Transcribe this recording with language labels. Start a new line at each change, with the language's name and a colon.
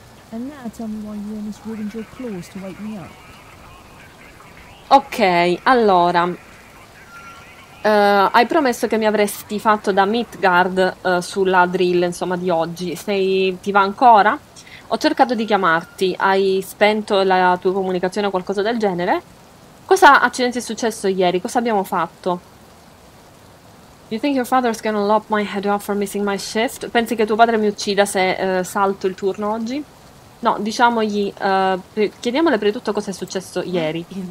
English: And now tell me why you almost ruined your claws to wake me up.
Italian: Ok, allora, hai promesso che mi avresti fatto da meat guard sulla drill, insomma, di oggi. Ti va ancora? Ho cercato di chiamarti, hai spento la tua comunicazione o qualcosa del genere? Cosa accidenti è successo ieri? Cosa abbiamo fatto?
English: You think your father's gonna lop my head off for missing my shift?
Italian: Pensi che tuo padre mi uccida se salto il turno oggi? No, diciamogli, chiediamole prima di tutto cosa è successo ieri.